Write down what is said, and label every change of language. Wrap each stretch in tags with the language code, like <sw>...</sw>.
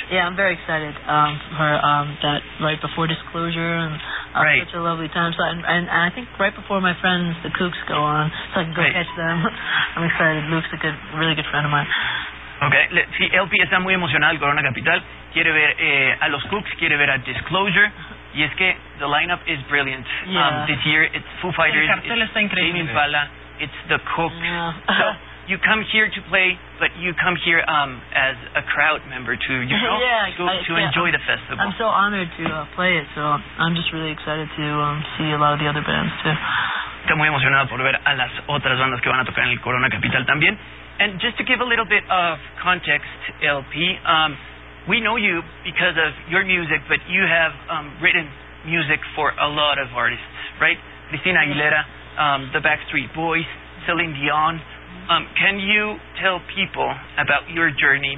<en>Yeah, I'm very excited for that right before disclosure. And right. Such a lovely time. So, and I think right before my friends, the Kooks, go on, so I can go catch them. I'm excited. Luke's a good, really good friend of mine. Okay.</en> <es>Sí, LP está muy emocionado el Corona Capital. Quiere ver a los Kooks, quiere ver a disclosure. Y es que</es> <en>the lineup is brilliant. Yeah. This year it's Foo Fighters, it's Tame Impala, it's the Cooks. Yeah. So you come here to play, but you come here as a crowd member to enjoy the festival. I'm so honored to play it. So I'm just really excited to see a lot of the other bands too.</en> <es>Estoy muy emocionado por ver a las otras bandas que van a tocar en el Corona Capital también.</es> <en>And just to give a little bit of context, LP. We know you because of your music, but you have written music for a lot of artists, right? Christina Aguilera, the Backstreet Boys, Celine Dion. Can you tell people about your journey?</en>